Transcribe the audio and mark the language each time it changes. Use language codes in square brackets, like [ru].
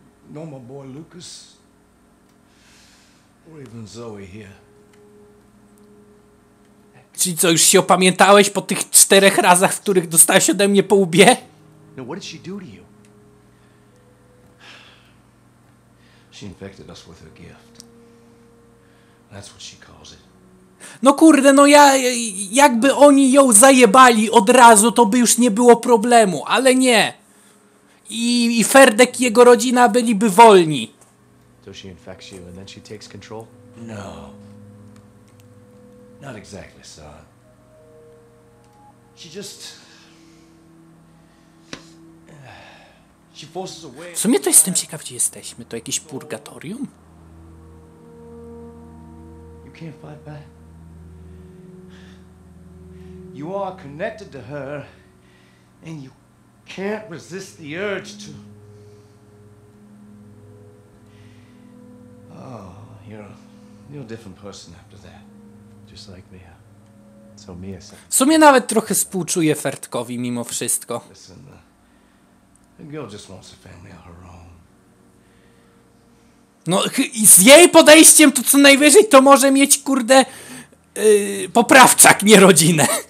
[en] Nor my boy Lucas, or even Zoe here. [pl] Czyli co, już się opamiętałeś po tych czterech razach, w których dostałeś ode mnie po łbie? [en] Now what did she do to you? She infected us with her gift. That's what she calls it. [pl] No kurde, no ja, jakby oni ją zajebali od razu, to by już nie było problemu, ale nie. I Ferdek i jego rodzina byliby wolni. [en] Does she infect you and then she takes control? No. Not exactly, son. She just... She forces away... [pl] W sumie to jestem ciekaw, gdzie jesteśmy. To jakieś purgatorium? [en] You can't fight back. You are connected to her and you... Can't resist the urge to. Oh, you're a different person after that. Just like me. So me as. [pl] W sumie nawet trochę współczuję Ferdkowi mimo wszystko. [en] Listen, the girl just wants a family of her own. [pl] No i z jej podejściem to co najwyżej to może mieć kurde poprawczak, nie rodzinę.